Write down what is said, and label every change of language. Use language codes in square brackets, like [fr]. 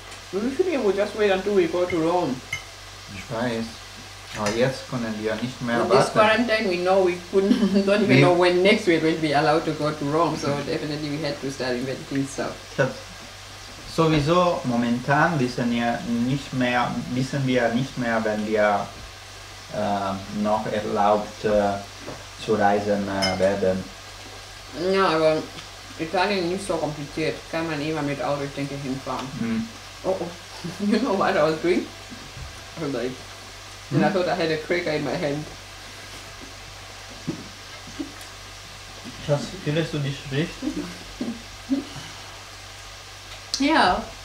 [en] We should be just wait until we go to Rome. [de] Ich weiß. Aber jetzt können wir nicht mehr [en] warten. In this quarantine we know we couldn't, don't even know when next we're going to be allowed to go to Rome. So definitely we had to start inventing stuff. [de] Sowieso momentan wissen wir nicht mehr, wenn wir noch erlaubt zu reisen werden. Ja, aber Italien ist nicht so kompliziert, kann man immer mit Auto, ich denke, hinfahren. [en] You know what I was doing? And I thought I had a cracker in my hand. [de] Schatz, fühlst du dich richtig? Ja.